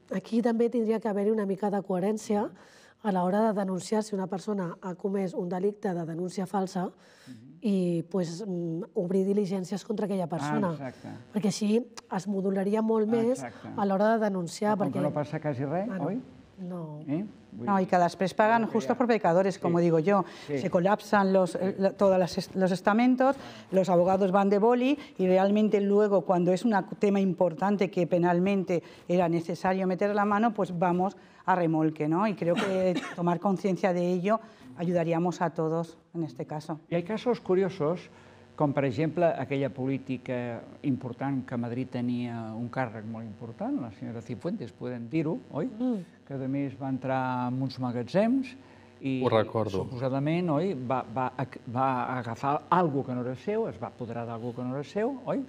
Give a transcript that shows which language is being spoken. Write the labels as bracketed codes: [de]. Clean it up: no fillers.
[ca] Aquí també hauria d'haver-hi una mica de coherència a l'hora de denunciar si una persona ha comès un delicte de denúncia falsa i obrir diligències contra aquella persona. Perquè així es modularia molt més a l'hora de denunciar. Com que no passa quasi res, oi? No. [es] No, y que después pagan justos por pecadores, como digo yo. Se colapsan todos los estamentos, los abogados van de boli y realmente luego, cuando es un tema importante que penalmente era necesario meter la mano, pues vamos a remolque, ¿no? Y creo que tomar conciencia de ello ayudaríamos a todos en este caso. Y hay casos curiosos [ca] com per exemple aquella política important que a Madrid tenia un càrrec molt important, la senyora Cifuentes, podem dir-ho, oi? Mm. Que a més va entrar en uns magatzems i suposadament, oi, va agafar algo que no era seu, es va apoderar d'algú que no era seu, oi?